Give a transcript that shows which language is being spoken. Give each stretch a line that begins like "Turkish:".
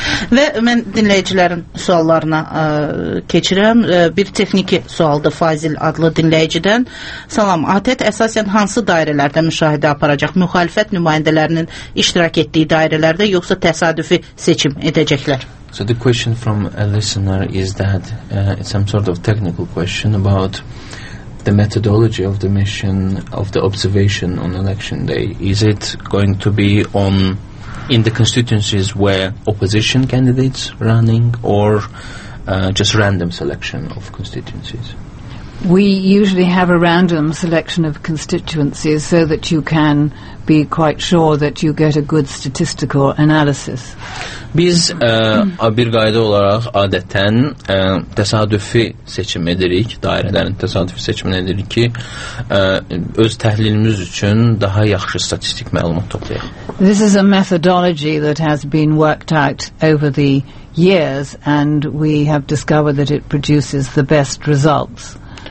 Azerbaijani: Və mən dinləyicilərin suallarına keçirəm. Bir texniki sualdır Fazil adlı dinləyicidən. Salam, ATƏT əsasən hansı dairələrdə müşahidə aparacaq? Müxalifət nümayəndələrinin iştirak etdiyi dairələrdə, yoxsa təsadüfi seçim edəcəklər?
English: So the question from a listener is that it's some sort of technical question about the methodology of the mission of the observation on election day. Is it going to be on in the constituencies where opposition candidates running, or just random selection of constituencies? We usually have a random selection of constituencies so that you can be quite sure that you get a good statistical analysis.
Azerbaijani: Biz bir qayda olaraq adətən təsadüfi seçim edirik, dairələrin təsadüfi seçimini edirik ki, öz təhlilimiz üçün daha yaxşı statistik məlumat toplayaq.
English: This is a methodology that has been worked out over the years, and we have discovered that it produces the best results.